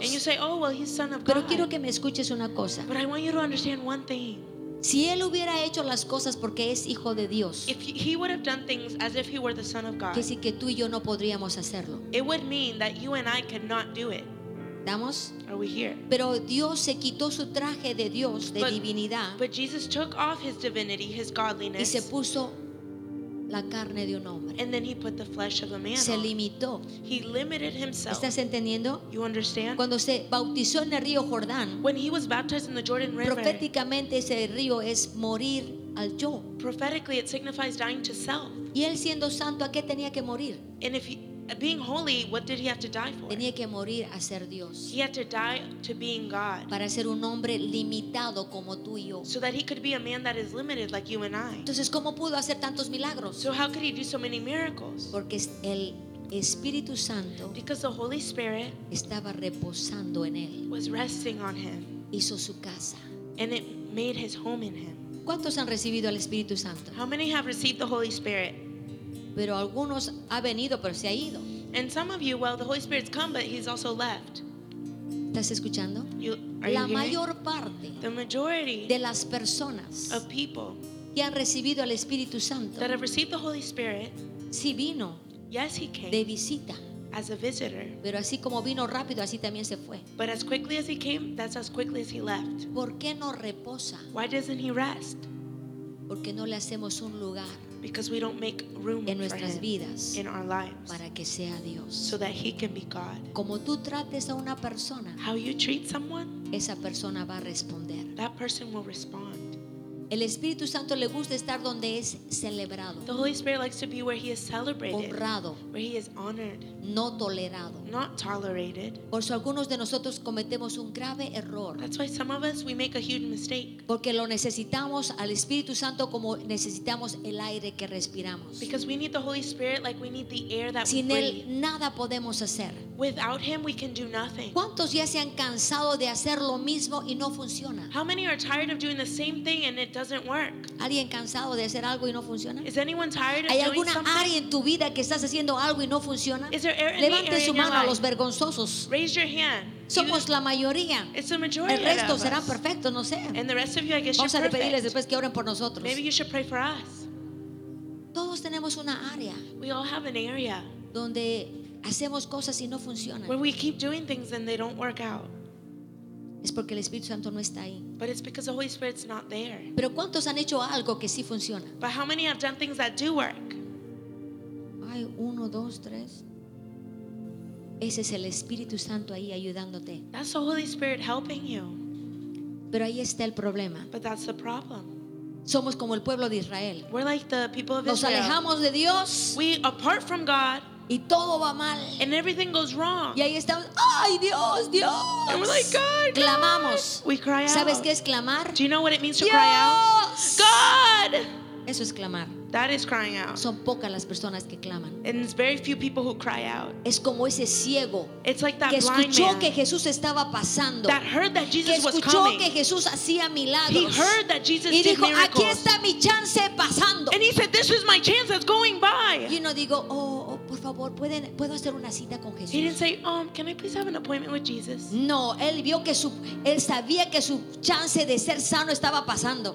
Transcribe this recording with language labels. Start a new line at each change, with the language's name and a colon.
English: And you say, oh, well, he's son of God.
Spanish: Pero quiero que me escuches una cosa.
English: But I want you to understand one thing.
Spanish: Si él hubiera hecho las cosas porque es hijo de Dios,
English: if he would have done things as if he were the son of God,
Spanish: quiere decir que tú y yo no podríamos hacerlo.
English: It would mean that you and I could not do it.
Spanish: ¿Estamos?
English: Are we here?
Spanish: Pero Dios se quitó su traje de Dios, de divinidad,
English: but Jesus took off his divinity, his godliness,
Spanish: y se puso la carne de un hombre.
English: And then he put the flesh of a man.
Spanish: Se limitó.
English: He limited himself.
Spanish: ¿Estás entendiendo?
English: You understand?
Spanish: Cuando se bautizó en el río Jordán,
English: when he was baptized in the Jordan River,
Spanish: proféticamente ese río es morir al yo.
English: Prophetically, it signifies dying to self.
Spanish: Y él siendo santo, ¿a qué tenía que morir?
English: And if being holy, what did he have to die for?
Spanish: Tenía que morir a ser Dios.
English: He had to die to being God.
Spanish: Para ser un hombre limitado como tú y yo.
English: So that he could be a man that is limited like you and I.
Spanish: Entonces, ¿cómo pudo hacer tantos milagros?
English: So how could he do so many miracles?
Spanish: Porque el Espíritu Santo,
English: because the Holy Spirit,
Spanish: estaba reposando en él.
English: Was resting on him.
Spanish: Hizo su casa.
English: And it made his home in him.
Spanish: ¿Cuántos han recibido al Espíritu Santo?
English: How many have received the Holy Spirit?
Spanish: Pero algunos ha venido, pero se ha ido.
English: And some of you, well, the Holy Spirit's come, but he's also left.
Spanish: ¿Estás escuchando? La mayor parte,
English: the majority,
Spanish: de las personas,
English: of people,
Spanish: que han recibido al Espíritu Santo,
English: that have received the Holy Spirit,
Spanish: si vino,
English: yes, he came,
Spanish: de visita,
English: as a visitor.
Spanish: Pero así como vino rápido, así también se fue.
English: But as quickly as he came, that's as quickly as he left.
Spanish: ¿Por qué no reposa?
English: Why doesn't he rest?
Spanish: Porque no le hacemos un lugar.
English: Because we don't make room
Spanish: en nuestras
English: for him
Spanish: vidas,
English: in our lives,
Spanish: para que sea Dios,
English: so that he can be God.
Spanish: Como tú trates a una persona,
English: how you treat someone,
Spanish: esa persona va a responder.
English: That person will respond.
Spanish: El Espíritu Santo le gusta estar donde es celebrado.
English: The Holy Spirit likes to be where he is celebrated.
Spanish: Honrado.
English: Where he is honored.
Spanish: No tolerado.
English: Not tolerated.
Spanish: Por eso algunos de nosotros cometemos un grave error.
English: That's why some of us, we make a huge mistake.
Spanish: Porque lo necesitamos al Espíritu Santo como necesitamos el aire que respiramos.
English: Because we need the Holy Spirit like we need the air that we breathe.
Spanish: Sin él nada podemos hacer.
English: Without him we can do nothing.
Spanish: ¿Cuántos ya se han cansado de hacer lo mismo y no funciona?
English: How many are tired of doing the same thing and it doesn't work?
Spanish: ¿Alguien cansado de hacer algo y no funciona?
English: Is anyone tired of doing
Spanish: something? ¿Hay alguna área en tu vida que estás haciendo algo y no funciona?
English: Is there any
Spanish: levante
English: area
Spanish: su mano
English: in your
Spanish: a los vergonzosos.
English: Raise your hand.
Spanish: Somos la mayoría.
English: It's a majority.
Spanish: El resto
English: of us
Spanish: serán perfectos, no sé.
English: And the rest of you, I guess,
Spanish: vamos a pedirles después que oren por nosotros.
English: Maybe you should pray for us.
Spanish: Todos tenemos una área.
English: We all have an area.
Spanish: Donde hacemos cosas y no funcionan.
English: When we keep doing things and they don't work out.
Spanish: Es porque el Espíritu Santo no está ahí.
English: But it's because the Holy Spirit's not there.
Spanish: Pero ¿cuántos han hecho algo que sí funciona?
English: But how many have done things that do work?
Spanish: Ay, uno, dos, tres. Ese es el Espíritu Santo ahí ayudándote.
English: That's the Holy Spirit helping you.
Spanish: Pero ahí está el problema.
English: But that's the problem.
Spanish: Somos como el pueblo de Israel.
English: We're like the people of
Spanish: Israel. Nos alejamos de Dios.
English: We apart from God.
Spanish: Y todo va mal.
English: And everything goes wrong.
Spanish: Y ahí estamos, ¡ay, Dios, Dios!
English: And we're like, God, God.
Spanish: Clamamos.
English: We cry out.
Spanish: ¿Sabes qué es clamar?
English: Do you know what it means to
Spanish: Dios
English: cry out? God!
Spanish: Eso es clamar.
English: That is crying out.
Spanish: Son pocas las personas que claman.
English: And it's very few people who cry out.
Spanish: Es como ese ciego.
English: It's like that
Spanish: que
English: blind man.
Spanish: Escuchó que Jesús estaba pasando.
English: That heard that Jesus was coming.
Spanish: Escuchó que Jesús hacía milagros.
English: He heard that Jesus did
Spanish: dijo,
English: miracles.
Spanish: Y dijo, aquí está mi chance pasando.
English: And he said, this is my chance that's going by.
Spanish: Y no digo, oh, por favor, ¿puedo hacer una cita con Jesús?
English: He didn't say, can I please have an appointment with Jesus?
Spanish: No, él vio que él sabía que su chance de ser sano estaba pasando.